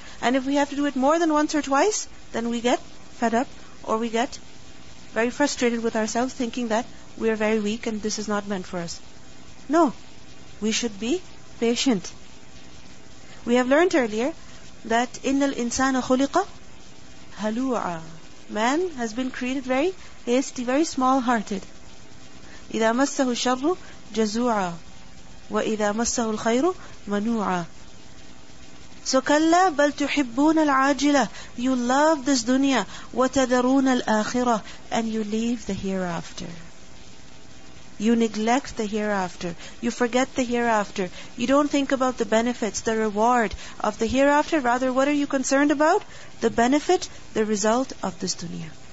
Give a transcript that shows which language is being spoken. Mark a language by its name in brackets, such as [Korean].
[English] And if we have to do it more than once or twice, then we get fed up or we get very frustrated with ourselves, thinking that we are very weak and this is not meant for us. No, we should be patient. We have learned earlier that [Arabic] إِنَّ الْإِنسَانَ خُلِقَ هَلُوعًا. [English] Man has been created very hasty, very small-hearted. [Arabic] إِذَا مَسَّهُ الشَّرُّ جَزُوعًا وَإِذَا مَسَّهُ الْخَيْرُ مَنُوعًا. So كَلَّا بَلْ تُحِبُّونَ الْعَاجِلَةِ. [English] You love this dunya. [Arabic] وَتَذَرُونَ الْآخِرَةِ. [English] And you leave the hereafter. You neglect the hereafter. You forget the hereafter. You don't think about the benefits, the reward of the hereafter. Rather, what are you concerned about? The benefit, the result of this dunya.